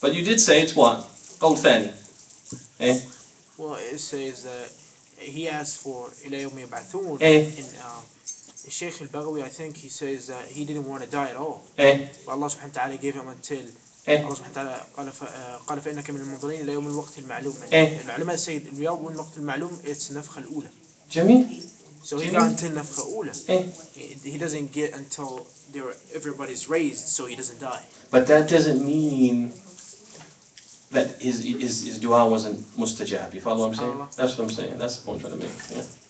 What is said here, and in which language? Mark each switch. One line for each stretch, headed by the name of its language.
English: But you did say it's what? Qawl thani. Eh? Well, it says that he asked for
Arabic: إلى يوم يبعثون.
English: Sheikh al-Baghawi, I think he says that he didn't want to die at all. But Allah subhanahu wa ta'ala gave him until Allah subhanahu wa ta'ala
Arabic: قال فإنك من المنظرين إلى يوم الوقت المعلوم. العلماء
English: say
Arabic: إلى يوم الوقت المعلوم
English: it's
Arabic: نفخة الأولى. جميل.
English: So he got until
Arabic: نفخة أولى.
English: He doesn't get until everybody's raised so he doesn't die. But that doesn't mean that his dua wasn't mustajab. You follow what I'm saying? That's what I'm saying. That's the point I'm trying to make.